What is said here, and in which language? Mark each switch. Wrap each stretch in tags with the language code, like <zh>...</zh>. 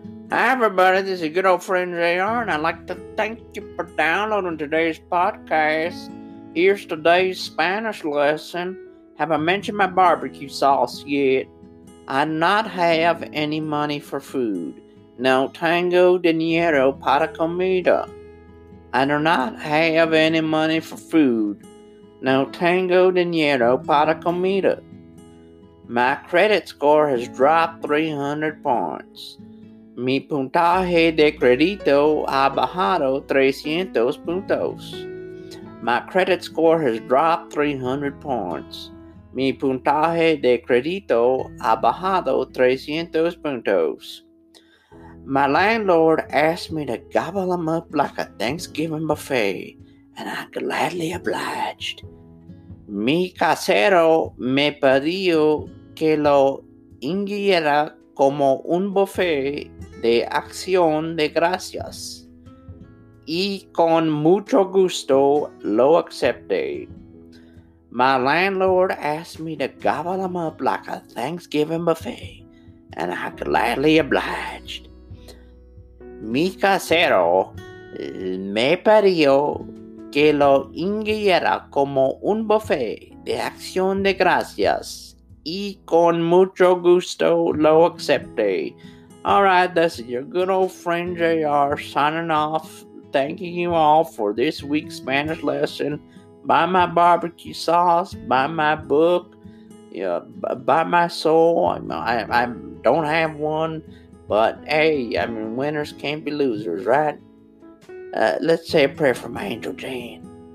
<en>Hi everybody, this is your good old friend JR, and I'd like to thank you for downloading today's podcast. Here's today's Spanish lesson. Have I mentioned my barbecue sauce yet? I not have any money for food.</en> <es>No tengo dinero para comida.</es> <en>I do not have any money for food.</en> <es>No tengo dinero para comida.</es> <en>My credit score has dropped 300 points.</en> <es>Mi puntaje de crédito ha bajado 300 puntos.</es> <en>My credit score has dropped 300 points.</en> <es>Mi puntaje de crédito ha bajado 300 puntos.</es> <en>My landlord asked me to gobble them up like a Thanksgiving buffet, and I gladly obliged.</en> <es>Mi casero me pidió que lo ingiera como un buffet de acción de gracias, y con mucho gusto lo acepté.</es> <en>My landlord asked me to gobble them up like a Thanksgiving buffet, and I gladly obliged.</en> <es>Mi casero me pidió que lo ingiera como un buffet de acción de gracias, y con mucho gusto lo acepté.</es> <en>Alright, this is your good old friend JR signing off, thanking you all for this week's Spanish lesson. Buy my barbecue sauce, buy my book, buy my soul. I don't have one, but hey, winners can't be losers, right? Let's say a prayer for my Angel Jane.</en>